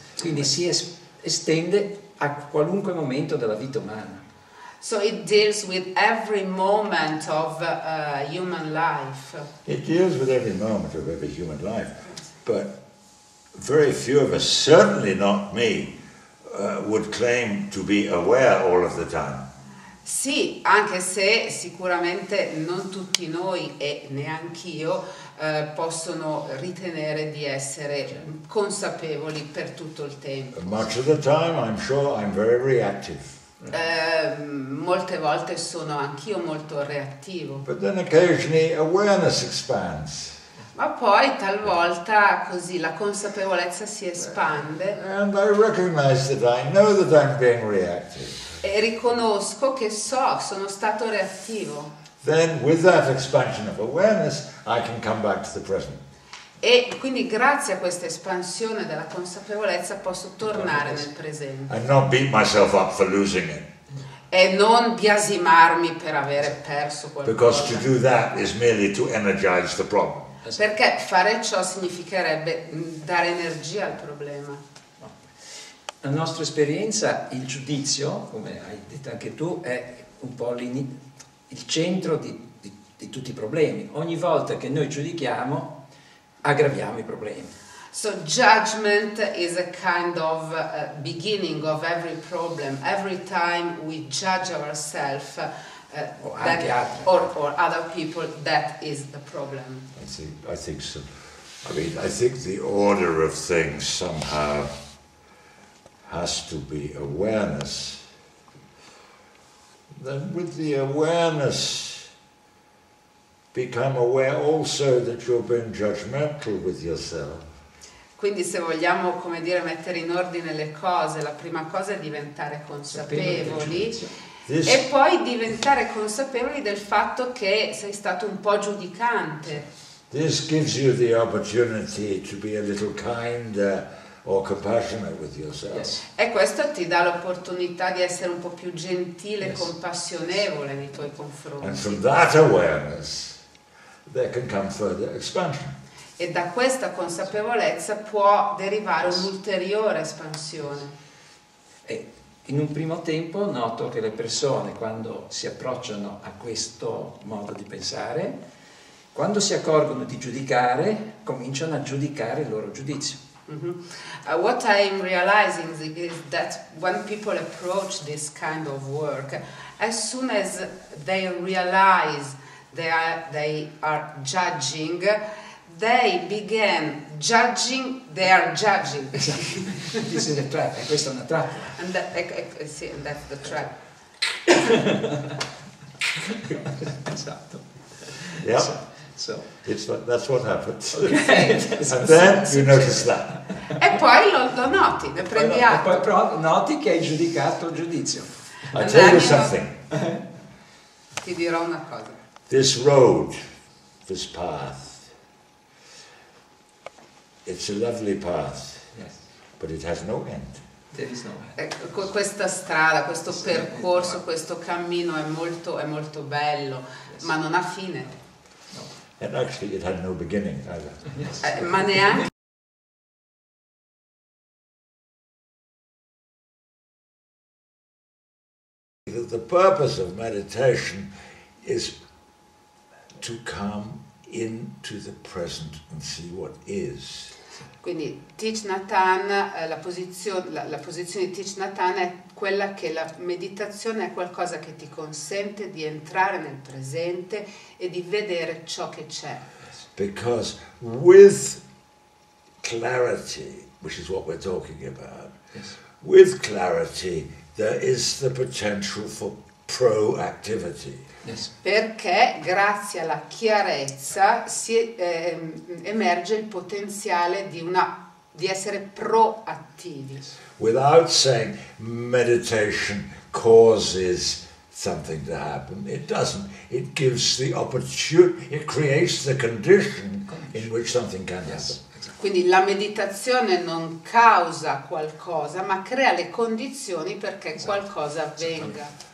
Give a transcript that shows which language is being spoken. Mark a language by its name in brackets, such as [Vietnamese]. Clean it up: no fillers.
[Italian] Quindi si estende a qualunque momento della vita umana. [English] So it deals with every moment of human life. It deals with every moment of every human life, but very few of us, certainly not me, would claim to be aware all of the time. [Italian] Sì, anche se sicuramente non tutti noi e neanch'io possono ritenere di essere consapevoli per tutto il tempo. [English] Much of the time I'm sure I'm very reactive. [Italian] Molte volte sono anch'io molto reattivo. [English] But then occasionally awareness expands. [Italian] Ma poi talvolta così la consapevolezza si espande. [English] And I recognize that I know that I'm being reactive. [Italian] E riconosco che sono stato reattivo. [English] Then with that expansion of awareness I can come back to the present. [Italian] E quindi grazie a questa espansione della consapevolezza posso tornare nel presente. [English] And not beat myself up for losing it. [Italian] E non biasimarmi per avere perso qualcosa. [English] Because to do that is merely to energize the problem. [Italian] Perché fare ciò significherebbe dare energia al problema. La nostra esperienza, il giudizio, come hai detto anche tu, è un po' il centro di tutti i problemi. Ogni volta che noi giudichiamo, aggraviamo i problemi. [English] So judgment is a kind of beginning of every problem. Every time we judge ourselves, or other people, that is the problem. I think so. I mean, I think the order of things somehow has to be awareness. Then with the awareness, become aware also that you've been judgmental with yourself. [Italian] Quindi se vogliamo, come dire, mettere in ordine le cose, la prima cosa è diventare consapevoli. E poi diventare consapevoli del fatto che sei stato un po' giudicante. [English] This gives you the opportunity to be a little kinder or compassionate with yourself. Yes. [Italian] E questo ti dà l'opportunità di essere un po' più gentile e compassionevole nei tuoi confronti. [English] And from that awareness there can come further expansion. [Italian] E da questa consapevolezza può derivare un'ulteriore espansione. In un primo tempo noto che le persone, quando si approcciano a questo modo di pensare, quando si accorgono di giudicare, cominciano a giudicare il loro giudizio. Mm-hmm. [English] What I'm realizing is that when people approach this kind of work, as soon as they realize they are judging, they begin judging their judging. This is a trap, [Italian] questa è una trappola. [English] And that's the trap. [Italian] Esatto. [English] Yeah. So it's what, that's what happens. Okay. And then you notice that. [Italian] E poi lo noti, ne prendi atto. E poi provo, noti che hai giudicato il giudizio. [English] I tell you something. [Italian] Ti dirò una cosa. [English] This road, this path, it's a lovely path, yes, but it has no end. There is no end. [Italian] Ecco, questa strada, questo percorso, questo cammino è molto bello, [English] yes, [Italian] ma non ha fine. [English] No. And actually it had no beginning either. Yes. [Italian] Ma neanche. [English] The purpose of meditation is to come into the present and see what is. [Italian] Quindi Thich Nhat Hanh, la posizione di Thich Nhat Hanh è quella che la meditazione è qualcosa che ti consente di entrare nel presente e di vedere ciò che c'è. [English] Because with clarity, which is what we're talking about, yes, with clarity there is the potential for proactivity. Yes. [Italian] Perché grazie alla chiarezza si emerge il potenziale di essere proattivi. [English] Yes. Without saying meditation causes something to happen, it doesn't. It gives the opportunity, it creates the condition in which something can happen. [Italian] Quindi la meditazione non causa qualcosa, ma crea le condizioni perché qualcosa avvenga.